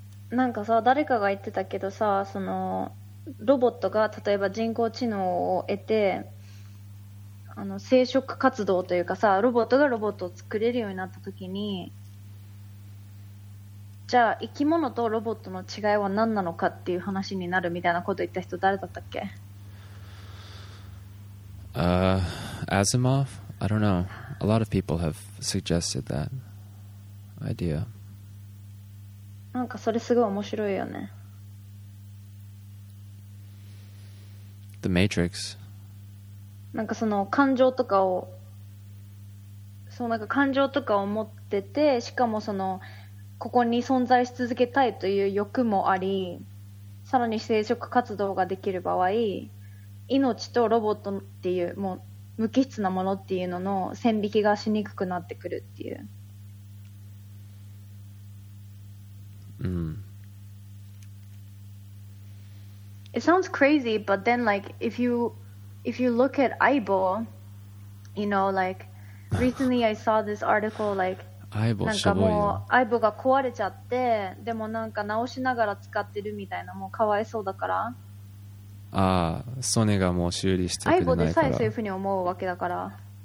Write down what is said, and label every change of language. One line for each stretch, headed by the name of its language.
Japanese: なんかさ、誰かが言ってたけどさ、そのロボットが例えば人工知能を得て、あの生殖活動というかさ、ロボットがロボットを作れるようになった時に、じゃあ生き物とロボットの違いは何なのかっていう話になるみたいなことを言った人誰だったっけ？
English: Asimov? I don't know. A lot of people have suggested that idea.
Japanese: なんかそれすごい面白いよね。
English: The Matrix.
Japanese: なんかその感情とかを、そうなんか感情とかを持ってて、しかもそのここに存在し続けたいという欲もあり、さらに生殖活動ができる場合、命とロボットっていうもう無機質なものっていうのの線引きがしにくくなってくるっていう。 Mm.
English: It sounds crazy, but then like if you look at Aibo, you know, like recently I saw this article like Aibo
Japanese: なんかもう Aibo が壊れちゃって、でもなんか直しながら使ってるみたいな、もうかわいそうだから。ああ、ソネがもう修理してくれないから。相棒でさえそういうふうに思うわけだから。